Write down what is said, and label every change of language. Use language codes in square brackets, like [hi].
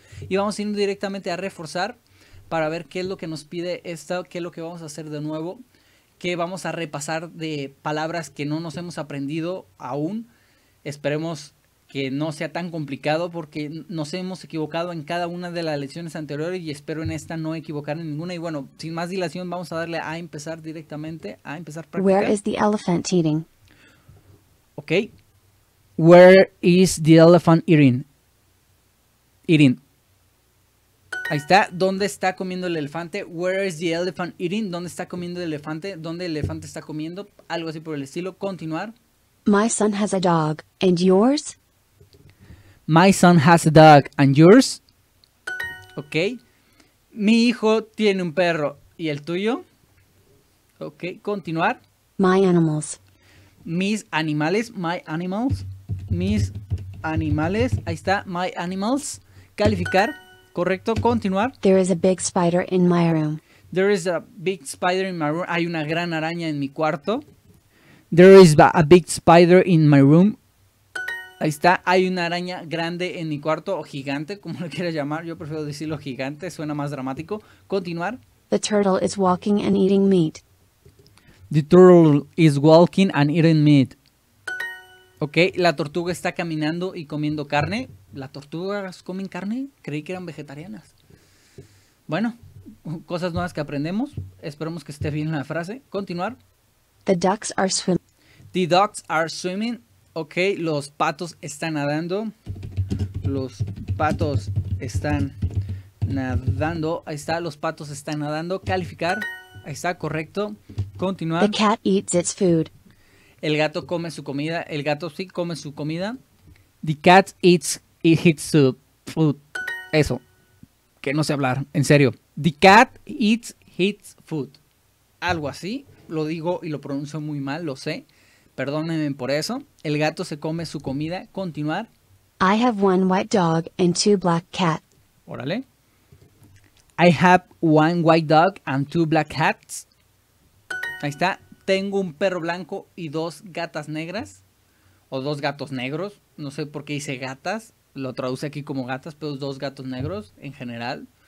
[es] Y vamos a ir directamente a reforzar para ver qué es lo que nos pide esta, qué es lo que vamos a hacer de nuevo, qué vamos a repasar de palabras que no nos hemos aprendido aún. Esperemos que no sea tan complicado, porque nos hemos equivocado en cada una de las lecciones anteriores y espero en esta no equivocar en ninguna. Y bueno, sin más dilación, vamos a darle a empezar directamente, a empezar practicando. [en] Where is the elephant eating? Ok. Where is the elephant eating? [es] Eating. Ahí está. ¿Dónde está comiendo el elefante? [en] Where is the elephant eating? [es] ¿Dónde está comiendo el elefante? ¿Dónde el elefante está comiendo? Algo así por el estilo. Continuar. [en] My son has a dog. And yours? My son has a dog. And yours? Ok. [es] Mi hijo tiene un perro. ¿Y el tuyo? Ok. Continuar. [en] My animals. [es] Mis animales. [en] My animals. [es] Mis animales. Ahí está. My animals. Calificar. Correcto, continuar. [en] There is a big spider in my room. There is a big spider in my room. [es] Hay una gran araña en mi cuarto. [en] There is a big spider in my room. [es] Ahí está, hay una araña grande en mi cuarto, o gigante, como lo quieras llamar. Yo prefiero decirlo gigante, suena más dramático. Continuar. [en] The turtle is walking and eating meat. The turtle is walking and eating meat. [es] Ok, la tortuga está caminando y comiendo carne. ¿Las tortugas comen carne? Creí que eran vegetarianas. Bueno, cosas nuevas que aprendemos. Esperemos que esté bien la frase. Continuar. [en] The ducks are swimming. The ducks are swimming. [es] Ok, los patos están nadando. Los patos están nadando. Ahí está, los patos están nadando. Calificar. Ahí está, correcto. Continuar. [en] The cat eats its food. [es] El gato come su comida. El gato sí come su comida. [en] The cat eats its food. [es] Eso. Que no sé hablar. En serio. [en] The cat eats its food. [es] Algo así. Lo digo y lo pronuncio muy mal. Lo sé. Perdónenme por eso. El gato se come su comida. Continuar. [en] I have one white dog and two black cats. [es] Órale. [en] I have one white dog and two black cats. [es] Ahí está. Tengo un perro blanco y dos gatas negras, o dos gatos negros, no sé por qué hice gatas, lo traduce aquí como gatas, pero dos gatos negros en general.